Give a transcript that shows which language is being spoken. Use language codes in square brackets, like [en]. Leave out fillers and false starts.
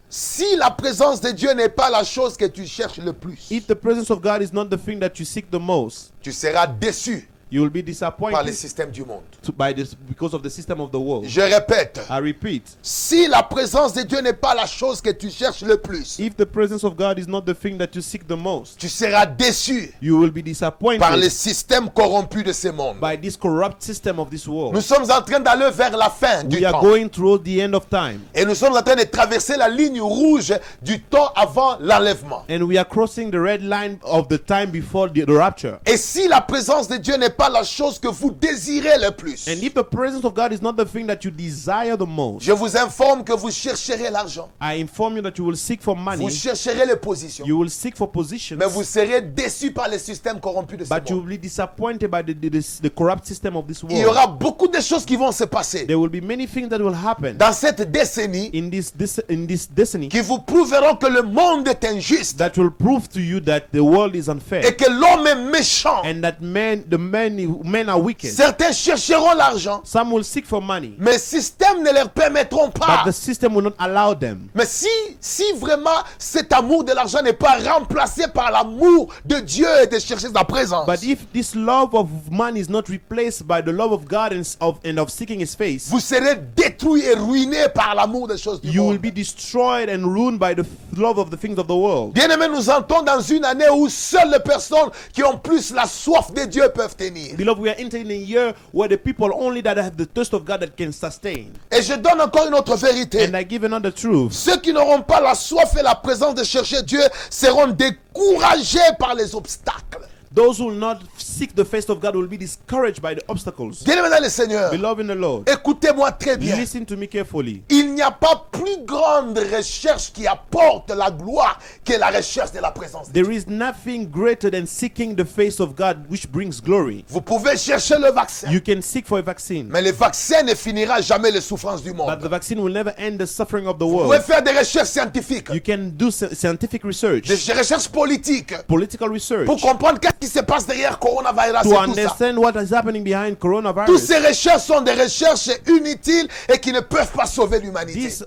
[fr] Si la présence de Dieu n'est pas la chose que tu cherches le plus, [en] if the presence of God is not the thing that you seek the most, [fr] tu seras déçu. [en] You will be disappointed [fr] par le système du monde. [en] By this, because of the system of the world. [fr] Je répète. [en] I repeat. [fr] Si la présence de Dieu n'est pas la chose que tu cherches le plus, [en] if the presence of God is not the thing that you seek the most, [fr] tu seras déçu. [en] You will be disappointed [fr] par le système corrompu de ce monde. [en] By this corrupt system of this world. [fr] Nous sommes en train d'aller vers la fin du temps. [en] We are going toward the end of time. [fr] Et nous sommes en train de traverser la ligne rouge du temps avant l'enlèvement. [en] And we are crossing the red line of the time before the rapture. [fr] Et si la présence de Dieu n'est pas pas la chose que vous désirez le plus. [en] And if the presence of God is not the thing that you desire the most. [fr] Je vous informe que vous chercherez l'argent. [en] I inform you that you will seek for money. [fr] Vous chercherez les positions. [en] You will seek for positions. [fr] Mais vous serez déçu par les systèmes corrompus de ce [en] monde. But you will be disappointed by the corrupt system of this world. [fr] Il y aura beaucoup de choses qui vont se passer. [en] There will be many things that will happen. [fr] Dans cette décennie. [en] In this destiny. [fr] Qui vous prouveront que le monde est injuste. [en] That will prove to you that the world is unfair. [fr] Et que l'homme est méchant. [en] And that men are wicked. [fr] Certains chercheront l'argent. [en] Some will seek for money. [fr] Mais système ne leur permettront pas. [en] But the system will not allow them. [fr] Mais si vraiment cet amour de l'argent n'est pas remplacé par l'amour de Dieu et de chercher sa présence. [en] But if this love of money is not replaced by the love of God and of seeking his face. [fr] Vous serez détruit et ruiné par l'amour des choses du [en] monde. You will be destroyed and ruined by the love of the things of the world. [fr] Bien-aimés, nous entrons dans une année où seules les personnes qui ont plus la soif de Dieu peuvent tenir. [en] Beloved, we are entering a year where the people only that have the thirst of God that can sustain. [fr] Et je donne encore une autre vérité. [en] And I give another truth. [fr] Ceux qui n'auront pas la soif et la présence de chercher Dieu seront découragés par les obstacles. [en] Those who will not seek the face of God will be discouraged by the obstacles. [fr] Bien-aimés le Seigneur. [en] Beloved in the Lord. [fr] Écoutez-moi très bien. [en] Listen to me carefully. [fr] Il n'y a pas plus grande recherche qui apporte la gloire que la recherche de la présence. [en] There is nothing greater than seeking the face of God which brings glory. [fr] Vous pouvez chercher le vaccin. [en] You can seek for a vaccine. [fr] Mais le vaccin ne finira jamais les souffrances du monde. [en] But the vaccine will never end the suffering of the [fr] Vous [en] world. [fr] Vous pouvez faire des recherches scientifiques. [en] You can do scientific research. [fr] Des recherches politiques. [en] Political research. [fr] Pour comprendre qu'est-ce qui se passe derrière coronavirus [en] to understand what is happening behind coronavirus. [fr] Toutes ces recherches sont des recherches inutiles et qui ne peuvent pas sauver l'humanité.